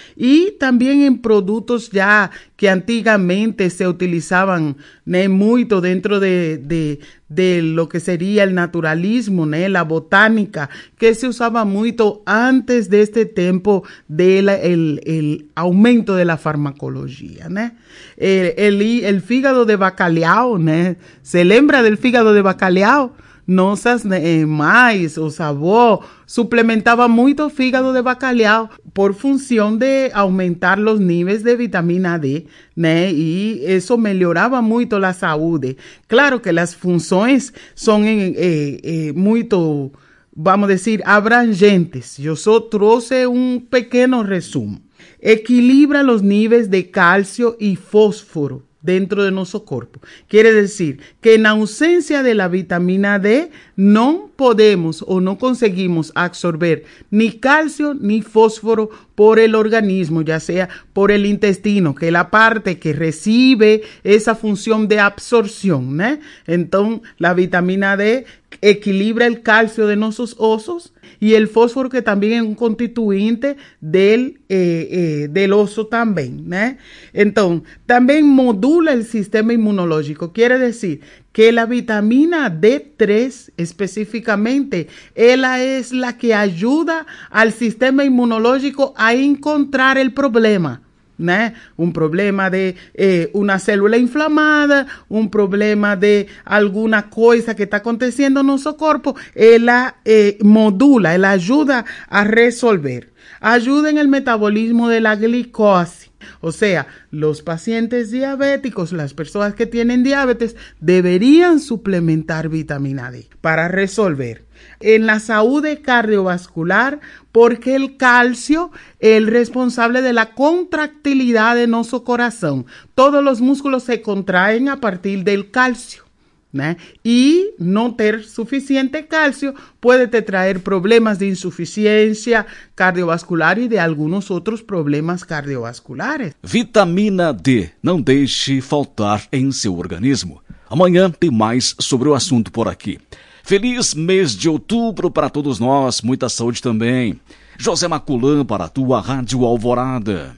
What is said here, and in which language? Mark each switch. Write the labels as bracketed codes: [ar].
[pt] E também em produtos já que antigamente se utilizavam, né, muito dentro [es] de lo que seria el naturalismo, né, la botánica, que se usaba muito antes de este tempo del aumento de la farmacología, [pt] né? El fígado de bacalhau, né? ¿Se lembra del fígado de bacalhau? Nossas mães, os avós, suplementavam muito o fígado de bacalhau por função de aumentar os níveis de vitamina D, né? E isso melhorava muito a saúde. Claro que as funções são muito, vamos dizer, abrangentes. Eu só trouxe um pequeno resumo. Equilibra os níveis de cálcio e fósforo dentro de nosso corpo. Quer dizer que na ausência da vitamina D, não podemos ou não conseguimos absorver [es] ni cálcio ni fósforo por el organismo, ya sea por el intestino, [pt] que é a parte que recibe essa função de absorção, né? Então, a vitamina D equilibra el cálcio de nossos ossos e el fósforo, que também é um constituinte del osso também, né? Então, também modula el sistema imunológico. [es] Quiere decir que la vitamina D3 específicamente, ela es la que ayuda al sistema inmunológico a encontrar el problema, né? [pt] Um problema de uma célula inflamada, um problema de alguma coisa que está acontecendo no nosso corpo, ela modula, ela ajuda a resolver. [es] Ajuda en el metabolismo de la glicose. O sea, los pacientes diabéticos, las personas que tienen diabetes, deberían suplementar vitamina D para resolver. En la salud cardiovascular, porque el calcio es el responsable de la contractilidad de nuestro corazón. Todos los músculos se contraen a partir del calcio, ¿no? Y no tener suficiente calcio puede te traer problemas de insuficiencia cardiovascular y de algunos otros problemas cardiovasculares. Vitamina D, no deje faltar en su organismo. [pt] Amanhã tem mais sobre o assunto por aqui. Feliz mês de outubro para todos nós, muita saúde também. José Maculã para a tua Rádio Alvorada.